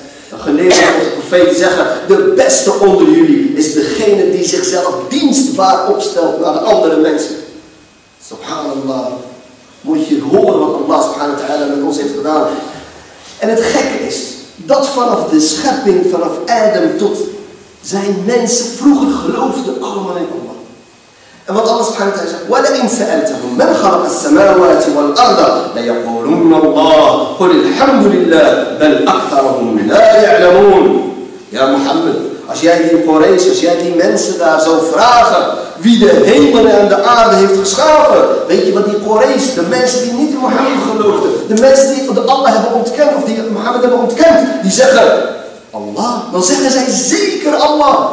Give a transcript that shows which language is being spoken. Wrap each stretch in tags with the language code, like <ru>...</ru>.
<nl>De geleerde van de profeet zeggen. De beste onder jullie is degene die zichzelf dienstbaar opstelt naar de andere mensen. Subhanallah. Moet je horen wat Allah subhanahu wa ta'ala met ons heeft gedaan. En het gekke is dat vanaf de schepping, vanaf Adam tot zijn mensen, vroeger geloofden allemaal in Allah. En wat Allah subhanahu wa ta'ala zegt,</nl> <ar>وَلَئِنْ سَأَلْتَهُمْ مَنْ خَلَقَ السَّمَاوَاتِ وَالْأَرْضَ لَيَقُولُونَ اللَّهُ قُلِ الْحَمْدُ لِلَّهِ بَلْ أَكْثَرَهُمْ لَا يَعْلَمُونَ.</ar> <nl>Ja, Mohammed, als jij die Quraysh, als jij die mensen daar zou vragen wie de hemel en de aarde heeft geschapen, weet je wat die Quraysh, de mensen die niet in Mohammed geloofden, de mensen die van Allah hebben ontkend, of die Mohammed hebben ontkend, die zeggen, Allah, dan zeggen zij zeker Allah.</nl>